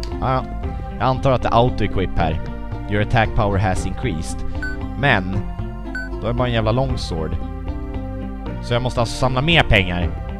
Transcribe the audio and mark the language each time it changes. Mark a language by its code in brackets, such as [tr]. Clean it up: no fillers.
[sv] Jag antar att det är auto-equip här. [en] Your attack power has increased. [sv] Men då är det bara en jävla longsword. Så jag måste alltså samla mer pengar.